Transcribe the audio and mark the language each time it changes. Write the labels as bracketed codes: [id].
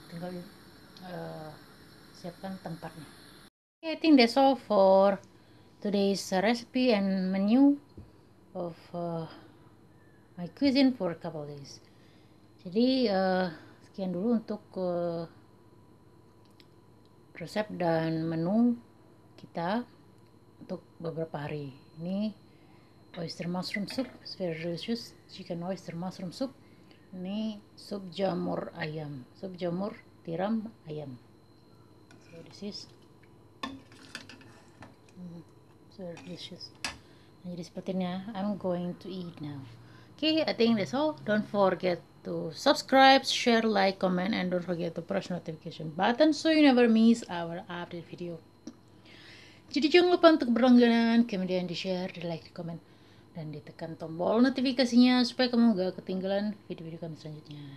[id] Tinggal siapkan tempatnya. [en] Okay, I think that's all for today's recipe and menu of my cuisine for a couple days. [id] Jadi sekian dulu untuk resep dan menu kita untuk beberapa hari ini. [en] Oyster mushroom soup, it's very delicious. Chicken oyster mushroom soup. [id] Ini sup jamur ayam, sup jamur tiram ayam. [en] So this is very delicious. [id] Jadi seperti ini ya, [en] I'm going to eat now. Okay, I think that's all. Don't forget to subscribe, share, like, comment, and don't forget to press notification button so you never miss our update video. [id] Jadi jangan lupa untuk berlangganan, kemudian di share, di like, di komen, dan ditekan tombol notifikasinya supaya kamu gak ketinggalan video-video kami selanjutnya.